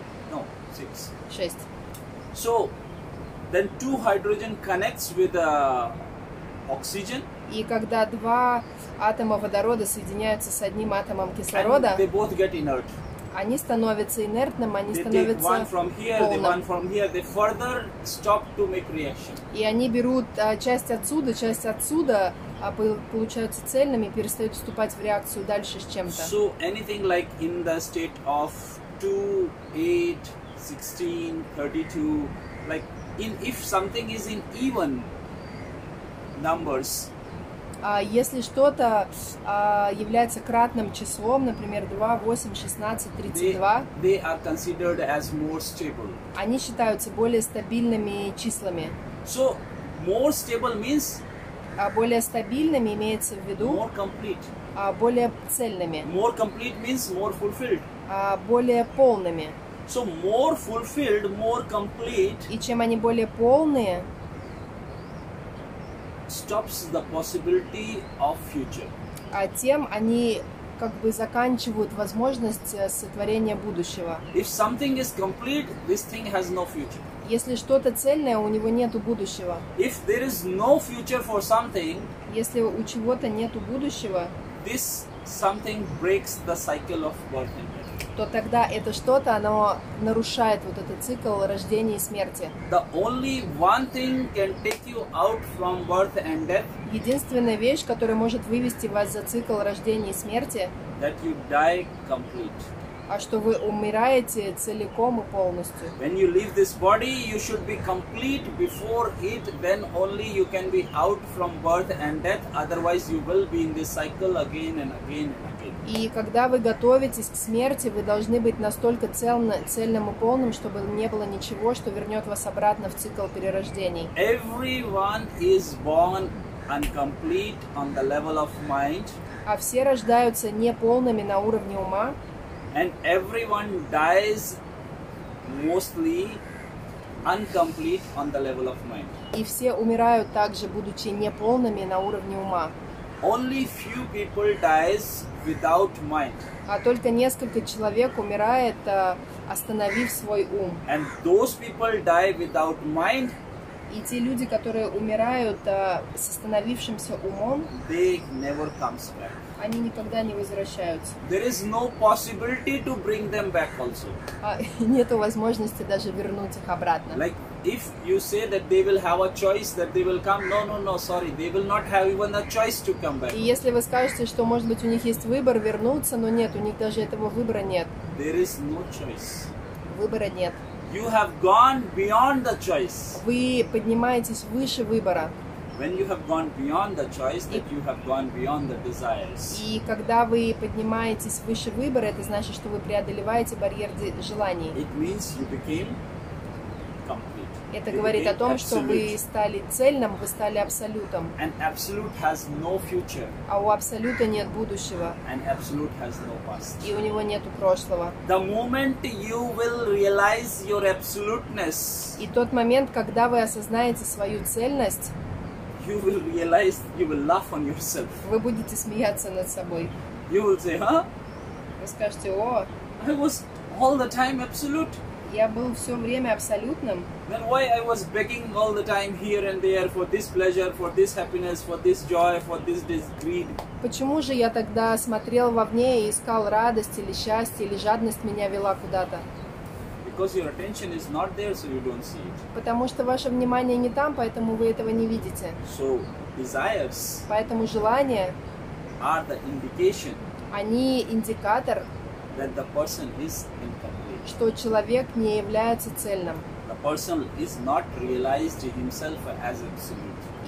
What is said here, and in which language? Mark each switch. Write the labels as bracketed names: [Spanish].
[English] No, 6. 6. So then two hydrogen connects with oxygen. [Russian] И когда два атома водорода соединяются с одним атомом кислорода, [English] they both get inert. [Russian] они становятся инертными, они [English] they [Russian] становятся [English] one from here, [Russian] полным. [English] One from here, they further stop to make reaction. [Russian] И они берут часть отсюда, получаются цельными, перестают вступать в реакцию дальше с чем-то. [English] So anything like in the state of 2, 8, 16, 32, like in, if something is in even numbers, [Russian] Если что-то является кратным числом, например, 2, 8, 16, 32, [English] they are considered as more stable. [Russian] Они считаются более стабильными числами. [English] So, more stable means [Russian] более стабильными имеется в виду [English] more complete. [Russian] Более цельными. [English] More complete means more fulfilled. [Russian] Более полными. [English] So, more fulfilled, more complete. [Russian] И чем они более полные, [English] stops the possibility of future. [Russian] А тем они как бы заканчивают возможность сотворения будущего. [English] If something is complete, this thing has no future. [Russian] Если что-то цельное, у него нету будущего. [English] If there is no future for something, [Russian] если у чего-то нету будущего, [English] this something breaks the cycle of birth and death. [Russian] То тогда это что-то, оно нарушает вот этот цикл рождения и смерти. [English] The only one thing can take you out from birth and death. [Russian] Единственная вещь, которая может вывести вас за цикл рождения и смерти, [English] that you die complete. [Russian] А что вы умираете целиком и полностью. [English] When you leave this body, you should be complete before it, then only you can be out from birth and death, otherwise you will be in this cycle again and again. [Russian] И когда вы готовитесь к смерти, вы должны быть настолько цельным и полным, чтобы не было ничего, что вернет вас обратно в цикл перерождений. [English] Everyone is born incomplete on the level of mind. [Russian] А все рождаются неполными на уровне ума. [English] And everyone dies mostly incomplete on the level of mind. [Russian] И все умирают также, будучи неполными на уровне ума. [English] Only few people dies without mind. [Russian] А только несколько человек умирает, остановив свой ум. [English] And those people die without mind. [Russian] И те люди, которые умирают, с остановившимся умом, [English] they never comes back. [Russian] Они никогда не возвращаются. [English] There is no possibility to bring them back also. [Russian] Нету возможности даже вернуть их обратно. [English] Like if you say that they will have a choice that they will come, no, sorry, they will not have even a choice to come back. [Russian] И если вы скажете, что может быть у них есть выбор вернуться, но нет, у них даже этого выбора нет. [English] There is no choice. [Russian] Выбора нет. [English] You have gone beyond the choice. [Russian] Вы поднимаетесь выше выбора. [English] When you have gone beyond the choice, that you have gone beyond the desires. [Russian] И когда вы поднимаетесь выше выбора, это значит, что вы преодолеваете барьер желаний. [English] It means you became complete. [Russian] Это говорит о том, что вы стали цельным, вы стали абсолютом. [English] And absolute has no future. [Russian] А у абсолюта нет будущего. [English] And absolute has no past. [Russian] И у него нету прошлого. [English] The moment you will realize your absoluteness. [Russian] И тот момент, когда вы осознаете свою цельность, [English] you will realize you will laugh on yourself. [Russian] Вы будете смеяться над собой. [English] You will say, huh? [Russian] Вы скажете, о. [English] I was all the time absolute. [Russian] Я был все время абсолютным. [English] Then why I was begging all the time here and there for this pleasure, for this happiness, for this joy, for this greed? [Russian] Почему же я тогда смотрел вовне и искал радость или счастье или жадность меня вела куда-то? [English] Because your attention is not there, so you don't see it. [Russian] Потому что ваше внимание не там, поэтому вы этого не видите. [English] So desires. [Russian] Поэтому желания. [English] Are the indication. [Russian] Они индикатор. [English] That the person is incomplete. [Russian] Что человек не является цельным. [English] The person is not realized himself as absolute.